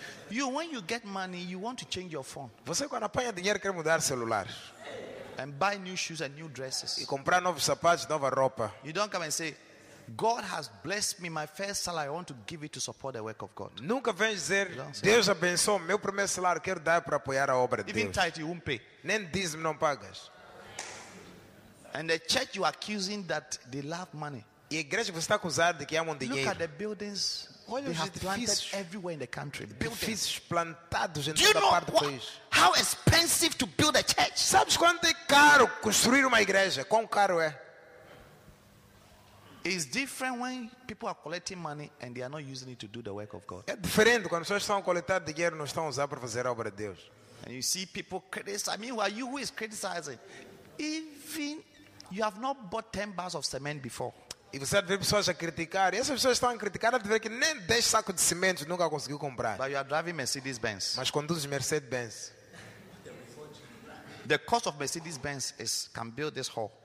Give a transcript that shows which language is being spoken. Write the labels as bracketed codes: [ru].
[en] You, when you get money, you want to change your phone. [pt] Você quando apanha dinheiro quer mudar celular. [en] And buy new shoes and new dresses. [pt] E comprar novos sapatos, nova roupa. [en] You don't come and say, God has blessed me my first salary. I want to give it to support the work of God. [pt] Nunca vem dizer, Deus abençoou meu primeiro salário, quero dar para apoiar a obra de Deus. [en] Even tithe you won't pay. [pt] Nem dízimo não pagas. [en] And the church you are accusing that they love money. [pt] E a igreja você está acusando de que amam dinheiro. [en] Look at the buildings. [pt] Olha [en] they have planted everywhere in the country. [pt] Edifícios plantados em do toda [en] you know [pt] parte do país. [en] How expensive to build a church? [pt] Sabes quanto é caro construir uma igreja? Quão caro é? [en] It's different when people are collecting money and they are not using it to do the work of God. [pt] É diferente quando as pessoas estão a coletar dinheiro e não estão a usar para fazer a obra de Deus. [en] And you see people criticizing. I mean, who are you who is criticizing? Even you have not bought 10 bars of cement before. [pt] E você vê pessoas a criticar. E essas pessoas estão a criticar, de ver que nem 10 sacos de cimento nunca conseguiu comprar. [en] But you are driving Mercedes Benz. [pt] Mas conduz Mercedes Benz. [en] The cost of Mercedes Benz is can build this hall.